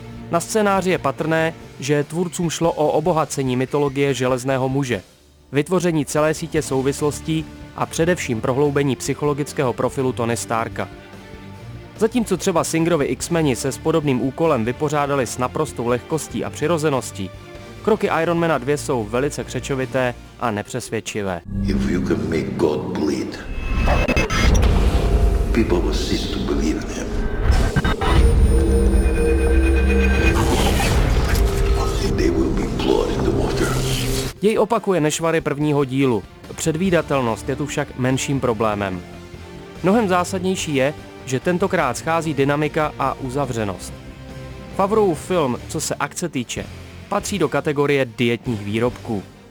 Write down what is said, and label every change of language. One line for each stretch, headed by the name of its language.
Czech: Na scénáři je patrné, že tvůrcům šlo o obohacení mytologie Železného muže, vytvoření celé sítě souvislostí a především prohloubení psychologického profilu Tony Starka. Zatímco třeba Singerovi X-meni se s podobným úkolem vypořádali s naprostou lehkostí a přirozeností, kroky Ironmana 2 jsou velice křečovité a nepřesvědčivé.
English: If you can make God bleed, people will cease to believe in him. They will be blood in the water.
Czech: Děj opakuje nešvary prvního dílu. Předvídatelnost je tu však menším problémem. Mnohem zásadnější je, že tentokrát schází dynamika a uzavřenost. Favreauův film, co se akce týče, patří do kategorie dietních výrobků.